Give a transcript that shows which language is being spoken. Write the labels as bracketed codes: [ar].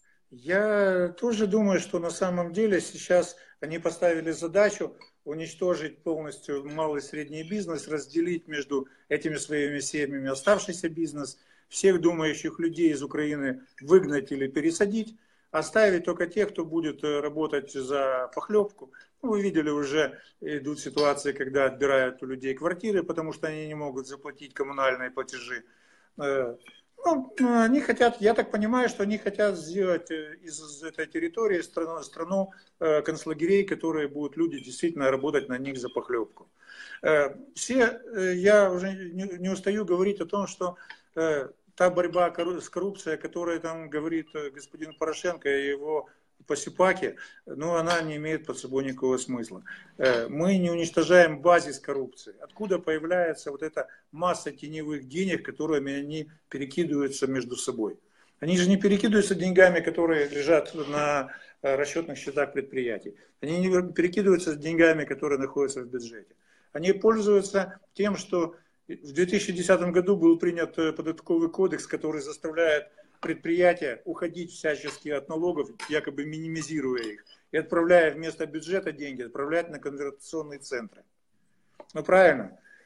[uk] Я теж думаю, що [ru] на самом деле зараз вони поставили задачу уничтожить [uk] повністю малий і середній [ru] бізнес, розділити між цими своїми сім'ями оставшийся бізнес, всех думающих людей из Украины выгнать или пересадить, оставить только тех, кто будет работать за похлебку. Ну, вы видели, уже идут ситуации, когда отбирают у людей квартиры, потому что они не могут заплатить коммунальные платежи. Ну, они хотят, я так понимаю, что они хотят сделать из этой территории страну концлагерей, которые будут люди действительно работать на них за похлебку. Все, я уже не устаю говорить о том, что та борьба с коррупцией, о которой там говорит господин Порошенко и его [uk] посіпаки, ну, вона не має під собою ніякого смислу. Ми не уничтожаємо базис корупції. [ru] Откуда появляється вот эта [uk] маса тіньових [ru] денег, которыми они перекидываются между собой? Они же не перекидываются деньгами, которые лежат на расчетных счетах предприятий. Они не перекидываются с деньгами, которые находятся в бюджете. Они пользуются тем, что в 2010 году был принят податковый кодекс, который заставляет предприятия уходить всячески от налогов, якобы минимизируя их, и отправляя вместо бюджета деньги, отправлять на конвертационные центры. Ну правильно.